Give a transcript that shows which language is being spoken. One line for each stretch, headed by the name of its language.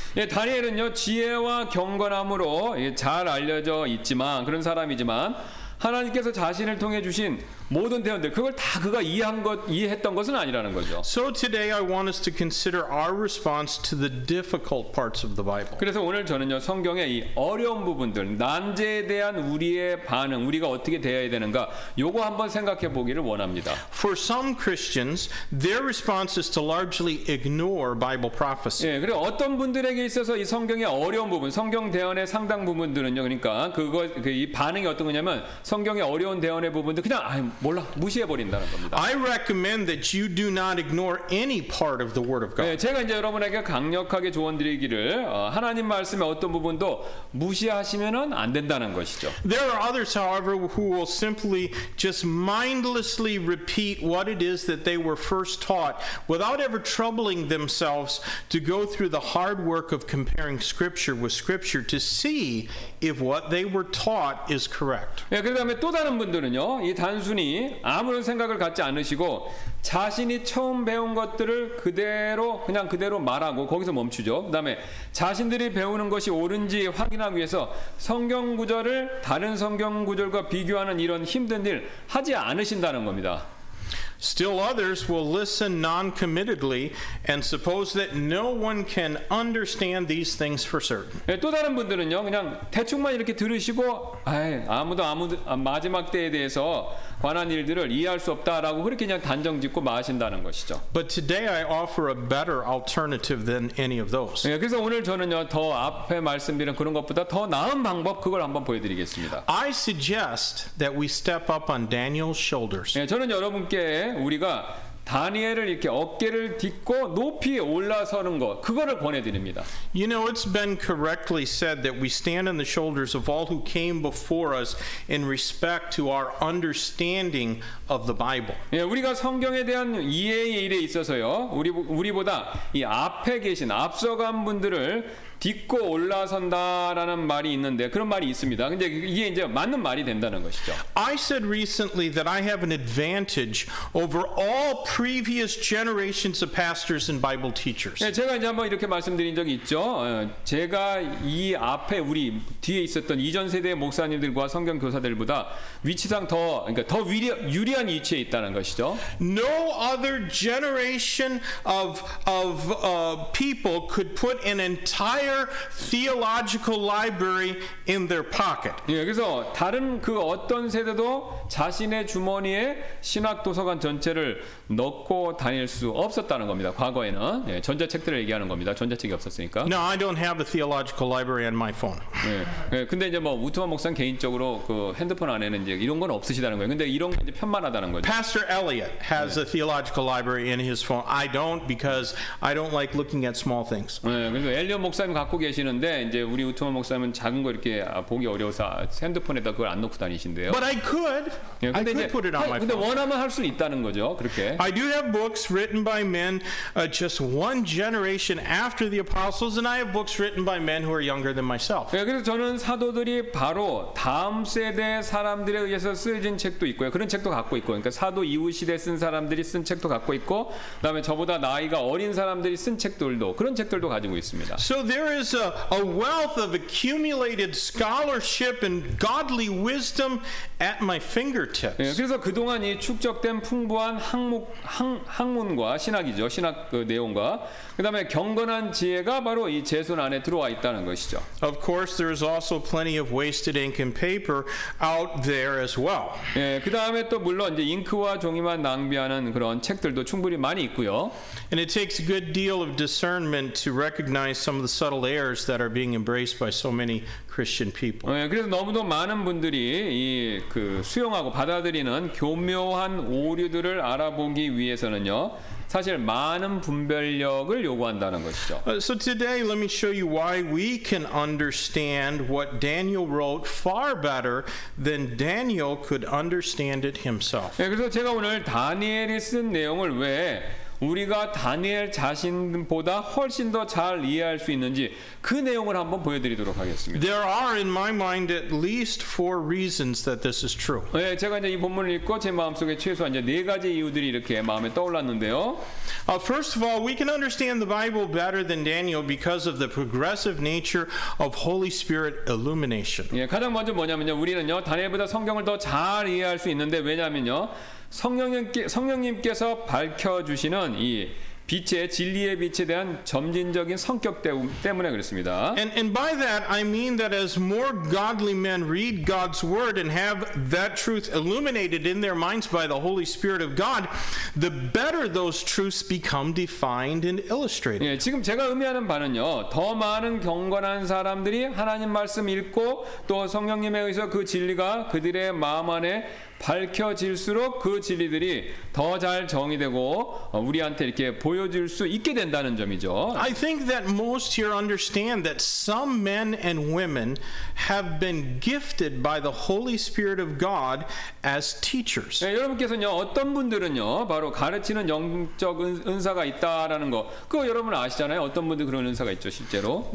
Korean: 예, 다니엘은요, 지혜와 경건함으로 잘 알려져 있지만 그런 사람이지만 하나님께서 자신을 통해 주신 모든 대언들 그걸 다 그가 이해했던 것은 아니라는 거죠.
English: So today I want us to consider our response to the difficult parts of the Bible.
Korean: 그래서 오늘 저는요 성경의 이 어려운 부분들 난제에 대한 우리의 반응 우리가 어떻게 대해야 되는가 요거 한번 생각해 보기를 원합니다.
English: For some Christians, their response is to largely ignore Bible prophecy.
Korean: 예, 그리고 어떤 분들에게 있어서 이 성경의 어려운 부분 성경 대언의 상당 부분들은요 그러니까 그거 그 이 반응이 어떤 거냐면 성경의 어려운 대언의 부분들 그냥 몰라 무시해버린다는 겁니다.
English: I recommend that you do not ignore any part of the Word of God.
Korean: 네, 제가 이제 여러분에게 강력하게 조언드리기를 하나님 말씀의 어떤 부분도 무시하시면은 안 된다는 것이죠.
English: There are others, however, who will simply just mindlessly repeat what it is that they were first taught without ever troubling themselves to go through the hard work of comparing Scripture with Scripture to see if what they were taught is correct.
Korean: 네, 그다음에 또 다른 분들은요, 이 단 순히 아무런 생각을 갖지 않으시고 자신이 처음 배운 것들을 그대로 그냥 그대로 말하고 거기서 멈추죠. 그다음에 자신들이 배우는 것이 옳은지 확인하기 위해서 성경 구절을 다른 성경 구절과 비교하는 이런 힘든 일 하지 않으신다는 겁니다.
English: Still others will listen non-committedly and suppose that no one can understand these things for certain.
Korean: 예, 또 다른 분들은요, 그냥 대충만 이렇게 들으시고, 마지막 때에 대해서 관한 일들을 이해할 수 없다라고 그렇게 그냥 단정 짓고 마신다는 것이죠.
English: But today I offer a better alternative than any of those.
Korean: 예, 그래서 오늘 저는요, 더 앞에 말씀드린 그런 것보다 더 나은 방법 그걸 한번 보여드리겠습니다.
English: I suggest that we step up on Daniel's shoulders.
Korean: 예, 저는 여러분께 우리가 다니엘을 이렇게 어깨를 딛고 높이 올라서는 것 그거를 권해드립니다.
English: You know, it's been correctly said that we stand on the shoulders of all who came before us in respect to our understanding of the Bible.
Korean: 예, 우리가 성경에 대한 이해의 일에 있어서요, 우리보다 이 앞에 계신 앞서간 분들을 딛고 올라선다라는 말이 있는데 그런 말이 있습니다. 근데 이게 이제 맞는 말이 된다는 것이죠.
English: I said recently that I have an advantage over all previous generations of pastors and Bible teachers.
Korean: 네, 제가 이제 한번 이렇게 말씀드린 적이 있죠. 제가 이 앞에 우리 뒤에 있었던 이전 세대의 목사님들과 성경 교사들보다 위치상 더 그러니까 더 유리한 위치에 있다는 것이죠.
English: No other generation of people could put an entire theological library in their pocket.
Korean: 예, 그래서 다른 그 어떤 세대도 자신의 주머니에 신학 도서관 전체를 넣고 다닐 수 없었다는 겁니다. 과거에는 예, 전자책들을 얘기하는 겁니다. 전자책이 없었으니까.
English: No, I don't have a theological library on my phone.
Korean: 예, 예, 근데 이제 뭐 우트만 목사 개인적으로 그 핸드폰 안에는 이제 이런 건 없으시다는 거예요. 근데 이런 게 이제 편만하다는 거죠.
English: Pastor Elliot has 예. a theological library in his phone. I don't because I don't like looking at small things.
Korean: 예, 그래서 엘리엇 목사님 갖고 계시는데 이제 우리 우트만 목사님은 작은 거 이렇게 보기 어려워서 핸드폰에다 그걸 안 놓고 다니신대요.
English: But I could.
Korean: 예, 근데
English: I could
Korean: 이제,
English: put it on my phone.
Korean: 근데 원하면 할 수 있다는 거죠. 그렇게.
English: I do have books written by men just one generation after the apostles, and I have books written by men who are younger than myself.
Korean: 예, 그래서 저는 사도들이 바로 다음 세대 사람들에 의해서 쓰여진 책도 있고요. 그런 책도 갖고 있고, 그러니까 사도 이후 시대 쓴 사람들이 쓴 책도 갖고 있고, 그다음에 저보다 나이가 어린 사람들이 쓴 책들도 그런 책들도 가지고 있습니다.
English: So there is a wealth of accumulated scholarship and godly wisdom at my fingertips.
Korean: 예, 그래서 그동안 이 축적된 풍부한 학문과 신학이죠. 신학 그 내용과 그다음에 경건한 지혜가 바로 이 제 손 안에 들어와 있다는 것이죠.
English: Of course there is also plenty of wasted ink and paper out there as well.
Korean: 예, 그다음에 또 물론 이제 잉크와 종이만 낭비하는 그런 책들도 충분히 많이 있고요.
English: And it takes a good deal of discernment to recognize some of the subtle errors that are being embraced by so many Christian people.
Korean: 예, 그래서 너무도 많은 분들이 이 그 수용하고 받아들이는 교묘한 오류들을 알아보기 위해서는요. 사실 많은 분별력을 요구한다는 것이죠.
English: So today let me show you why we can understand what Daniel wrote far better than Daniel could understand it himself.
Korean: 예, 그래서 제가 오늘 다니엘이 쓴 내용을 왜 우리가 다니엘 자신보다 훨씬 더 잘 이해할 수 있는지 그 내용을 한번 보여드리도록 하겠습니다.
English: There are in my mind at least four reasons that this is true.
Korean: 네, 제가 이제 이 본문을 읽고 제 마음속에 최소한 이제 네 가지 이유들이 이렇게 마음에 떠올랐는데요.
English: First of all, we can understand the Bible better than Daniel because of the progressive nature of Holy Spirit illumination.
Korean: 예, 가장 먼저 뭐냐면요, 우리는요 다니엘보다 성경을 더 잘 이해할 수 있는데 왜냐하면요 성령님께서 밝혀주시는 이 빛의 진리의 빛에 대한 점진적인 성격 때문에 그렇습니다.
English: And by that I mean that as more godly men read God's word and have that truth illuminated in their minds by the Holy Spirit of God, the better those truths become defined and illustrated.
Korean: 예, 지금 제가 의미하는 바는요. 더 많은 경건한 사람들이 하나님 말씀 읽고 또 성령님에 의해서 그 진리가 그들의 마음 안에 밝혀질수록 그 진리들이 더 잘 정의되고 우리한테 이렇게 보여질 수 있게 된다는 점이죠.
English: I think that most here understand that some men and women have been gifted by the Holy Spirit of God as teachers.
Korean: 네, 여러분께서는요 어떤 분들은요 바로 가르치는 영적 은사가 있다라는 거 그거 여러분 아시잖아요. 어떤 분들 그런 은사가 있죠 실제로.